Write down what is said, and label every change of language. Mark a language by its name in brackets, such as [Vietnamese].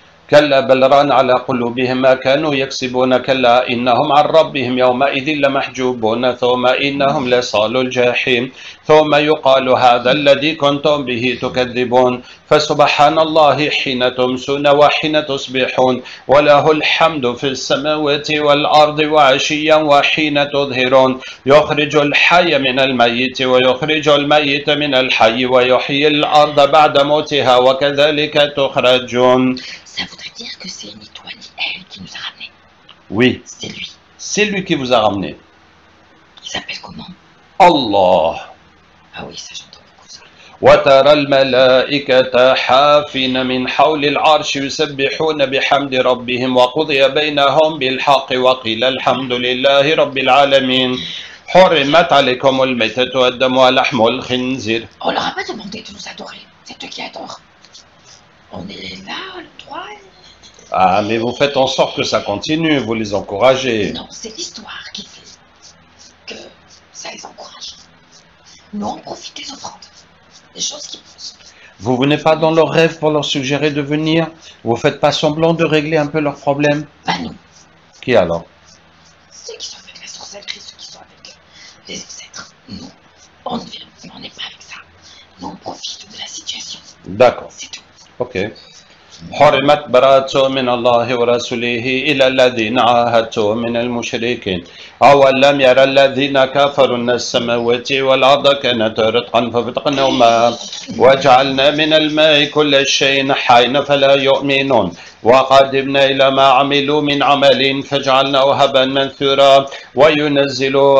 [Arabic] كلا بل ران على قلوبهم ما كانوا يكسبون كلا إنهم عن ربهم يومئذ لمحجوبون ثم إنهم لصال الجحيم ثم يقال هذا الذي كنتم به تكذبون فسبحان الله حين تمسون وحين تصبحون وله الحمد في السماوات والأرض وعشيا وحين تظهرون يخرج الحي من الميت ويخرج الميت من الحي ويحيي الأرض بعد موتها وكذلك تخرجون. [French] Ça voudrait dire que c'est ni toi ni elle qui nous a ramenés. Oui, C'est lui. c'est lui qui vous a ramené. Il s'appelle comment? Allah. Ah oui, ça j'entends. [Arabic] وترى الملائكة حافين من حول العرش يسبحون بحمد ربهم وقضي بينهم بالحق وقيل الحمد لله رب العالمين حرمت عليكم الميتة والدم ولحم الخنزير. [French] On leur a pas demandé de nous adorer. C'est eux qui adorent. On est là, le droit. Ah, mais vous faites en sorte que ça continue, vous les encouragez. Non, c'est l'histoire qui fait que ça les encourage. Non, profitez des offrandes. Les choses qui vous sont. Vous venez pas dans leurs rêves pour leur suggérer de venir? Vous faites pas semblant de régler un peu leurs problèmes? Ben non. Qui alors? Ceux qui sont avec la sorcellerie, ceux qui sont avec les ancêtres. Nous, on ne vient, on n'est pas avec ça. Nous, on profite de la situation. D'accord. C'est tout. Ok. [Arabic] حرمت براءته من الله ورسوله إلى الذين عاهدته من المشركين أو لم يرى الذين كفروا أن السماوات والأرض كانت رتقا ففتقناهما وجعلنا من الماء كل شيء حي فلا يؤمنون وقدمنا إلى ما عملوا من عمل فجعلناه هبا منثورا وينزل